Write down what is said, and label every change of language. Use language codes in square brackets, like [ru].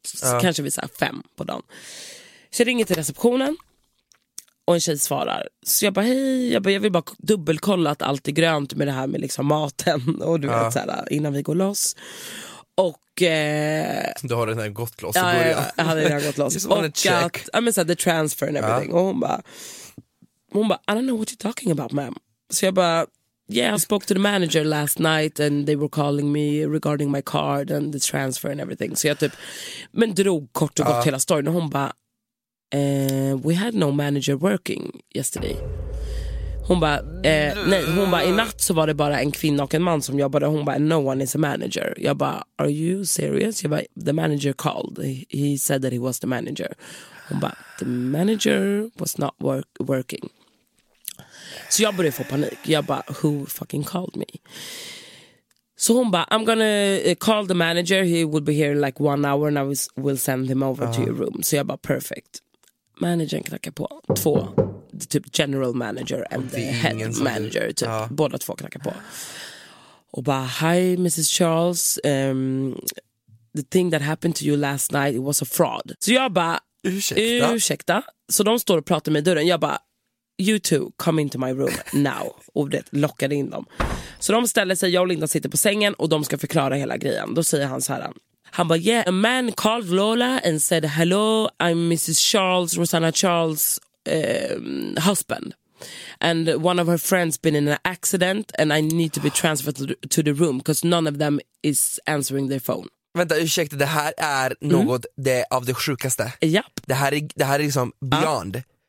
[sv] Så kanske vi är så här, 5 på dagen. Så jag ringer till receptionen. Och en tjej svarar. Så jag bara, hej. Jag bara, jag vill bara dubbelkolla att allt är grönt med det här med liksom maten. Och du vet, så här, innan vi går loss. Och du har den här gått loss i början. Jag hade gått loss. Och att, [en] I mean, [sv] så här, [en] the transfer and everything. [sv] Och hon bara, [en] I don't know what you're talking about, ma'am. [sv] Så jag bara, [en] yeah, I spoke to the manager last night and they were calling me regarding my card and the transfer and everything. [sv] Så jag typ, men drog kort och gott hela storyn. Och hon bara, [en] we had no manager working yesterday. [sv] Hon bara, i natt så var det bara en kvinna och en man som jobbade. Hon bara, [en] no one is a manager. [sv] Jag bara, [en] are you serious? Jag bara, the manager called. He said that he was the manager. [sv] Hon bara, [en] the manager was not working. [sv] Så jag började få panik. Jag bara, [en] who fucking called me? [sv] Så hon bara, [en] I'm gonna call the manager. He will be here in like 1 hour and I will send him over to your room. [sv] Så jag bara, [en] perfect. [sv] Managern knackar på. 2. Typ [en] general manager and the head manager [sv] typ. Båda 2 knackar på och bara [en] hi Mrs. Charles, the thing that happened to you last night, it was a fraud. [sv] Så jag bara ursäkta. Så de står och pratar med dörren. Jag bara [en] you two come into my room now. [sv] Och det lockade in dem. Så de ställer sig, jag och Linda sitter på sängen och de ska förklara hela grejen. Då säger han så här. Han bara, [en] yeah, a man called Lola and said hello, I'm Mrs. Charles, Rosanna Charles husband, and one of her friends been in an accident and I need to be transferred to the room because none of them is answering their phone. [sv] Vänta, ursäkta, det här är något det av det sjukaste. [en] Yep. [sv] Det här är liksom beyond.